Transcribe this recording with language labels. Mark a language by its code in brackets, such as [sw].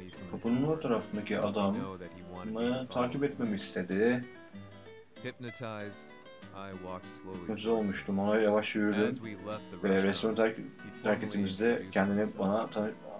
[tr] Kapının o taraftaki adam mı takip etmemi istedi. [en] Hypnotized, I walked slowly. [tr] Hypnotize olmuştum, ona yavaş yürüdüm ve restoranı terk ettiğimizde kendini bana anlattı.